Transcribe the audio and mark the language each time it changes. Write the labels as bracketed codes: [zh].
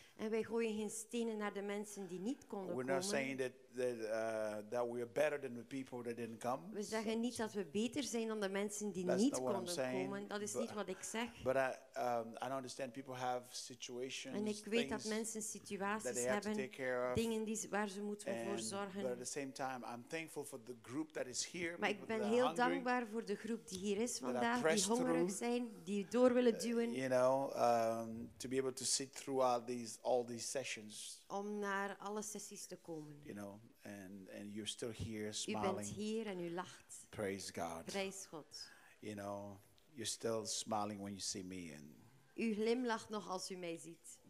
[nl] En wij gooien geen stenen naar de mensen die niet konden komen. [en] We're not saying that we are better than the people that didn't come. [nl] We zeggen niet dat we beter zijn dan de mensen die niet konden komen. Dat is niet wat ik zeg. [en] But I don't understand people have situations. [nl] En ik weet dat mensen situaties hebben, dingen die waar ze moeten voor zorgen. [en] But at the same time, I'm thankful for the group that is here. [nl] Maar ik ben heel dankbaar voor de groep die hier is vandaag, die hongerig zijn, die door willen duwen. [en] You know, to be able to sit through all these sessions. [nl] Om naar alle sessies te komen. [en] You know, and you're still here smiling. [nl] U bent hier en u lacht. [en] Praise God. [nl] Prijs God. [en] You know, you're still smiling when you see me. And [nl] u glimlacht nog als u mij ziet.